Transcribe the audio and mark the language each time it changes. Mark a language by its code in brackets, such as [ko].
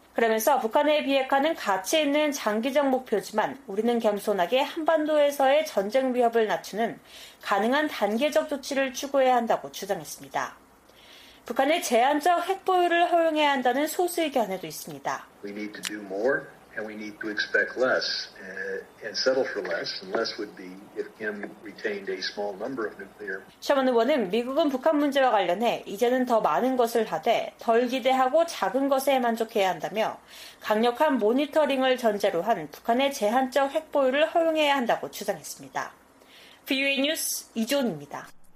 [ko] 그러면서 북한의 비핵화는 가치 있는 장기적 목표지만 우리는 겸손하게 한반도에서의 전쟁 위협을 낮추는 가능한 단계적 조치를 추구해야 한다고 주장했습니다. 북한의 제한적 핵 보유를 허용해야 한다는 소수 의견에도 있습니다. [en] We need to do more and we need to expect less and settle for less. And less would be if Kim retained a small number of nuclear. [ko] 셔먼 의원은 미국은 북한 문제와 관련해 이제는 더 많은 것을 하되 덜 기대하고 작은 것에 만족해야 한다며 강력한 모니터링을 전제로 한 북한의 제한적 핵 보유를 허용해야 한다고 주장했습니다. VOA 뉴스 이준입니다.